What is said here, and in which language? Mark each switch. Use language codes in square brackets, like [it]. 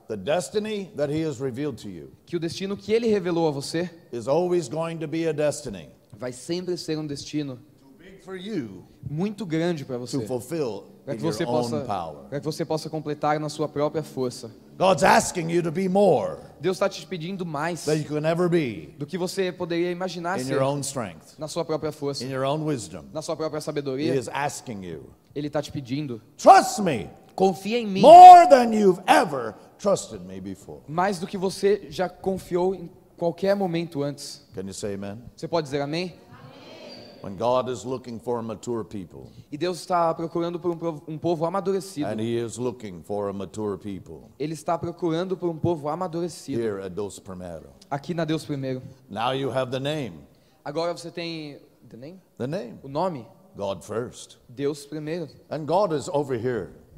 [en] The destiny that he has revealed to you. [pt] Que o destino que ele revelou a você. [en] Is always going to be a destiny. [pt] Vai sempre ser um destino [en] you, [pt] muito grande para você, para que você possa completar na sua própria força. [en] God's asking you to be more. [pt] Deus está te pedindo mais [en] than you can ever be, [pt] do que você poderia imaginar [en] in [pt] ser [en] your own strength, [pt] na sua própria força, [en] in your own wisdom, [pt] na sua própria sabedoria. [en] He is asking you, [pt] ele está te pedindo. [en] Trust me. [pt] Confia em mim. [en] More than you've ever trusted me before. [pt] Mais do que você já confiou em qualquer momento antes. [en] Can you say amen? [pt] Você pode dizer amém? [en] When God is looking for a mature people. [pt] E Deus está procurando por um povo amadurecido. [en] And he is looking for a mature people. [pt] Ele está procurando por um povo amadurecido. [en] Here at Deus Primeiro. [pt] Aqui na Deus Primeiro. [en] Now you have the name. [pt] Agora você tem [en] the name? The name. [pt] O nome. [en] God first. [pt] Deus primeiro. [en] And God is over here.